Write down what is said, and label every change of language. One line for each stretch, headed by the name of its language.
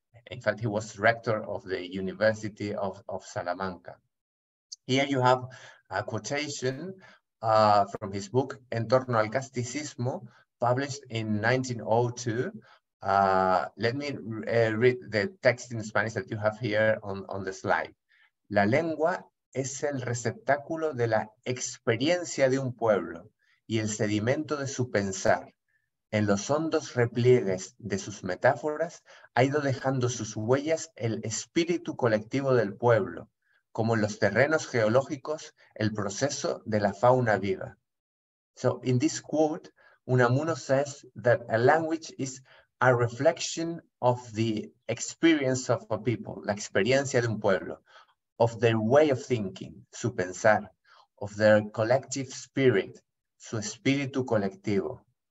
English: In fact, he was rector of the University of Salamanca. Here you have a quotation from his book, Entorno al Casticismo, published in 1902. Let me read the text in Spanish that you have here on the slide.
Spanish: La lengua es el receptáculo de la experiencia de un pueblo y el sedimento de su pensar. En los hondos repliegues de sus metáforas ha ido dejando sus huellas el espíritu colectivo del pueblo, como en los terrenos geológicos, el proceso de la fauna viva.
English: So in this quote, Unamuno says that a language is a reflection of the experience of a people,
Spanish: la experiencia de un pueblo,
English: of their way of thinking,
Spanish: su pensar,
English: of their collective spirit,
Spanish: su espíritu colectivo.